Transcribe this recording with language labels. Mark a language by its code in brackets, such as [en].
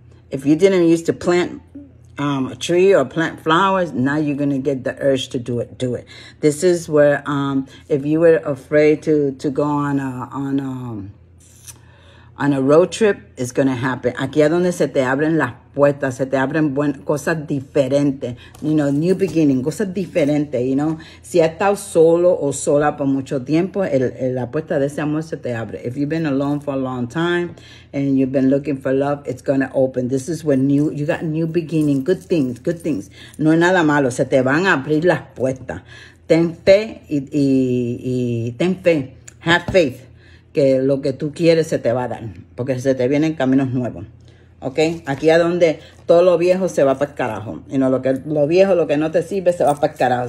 [en] If you didn't used to plant a tree or plant flowers, now you're going to get the urge to do it. Do it. This is where if you were afraid to go on a road trip, it's going to happen. [es] Aquí es donde se te abren las puertas, se te abren cosas diferentes. [en] You know, new beginning, [es] cosas diferentes, [en] you know. [es] Si has estado solo o sola por mucho tiempo, la puerta de ese amor se te abre. [en] If you've been alone for a long time and you've been looking for love, it's going to open. This is when you got new beginning, good things. [es] No es nada malo, se te van a abrir las puertas. Ten fe y ten fe. [en] Have faith. [es] Que lo que tú quieres se te va a dar. Porque se te vienen caminos nuevos. ¿Ok? Aquí a donde todo lo viejo se va para el carajo. Y no, lo viejo, lo que no te sirve, se va para el carajo.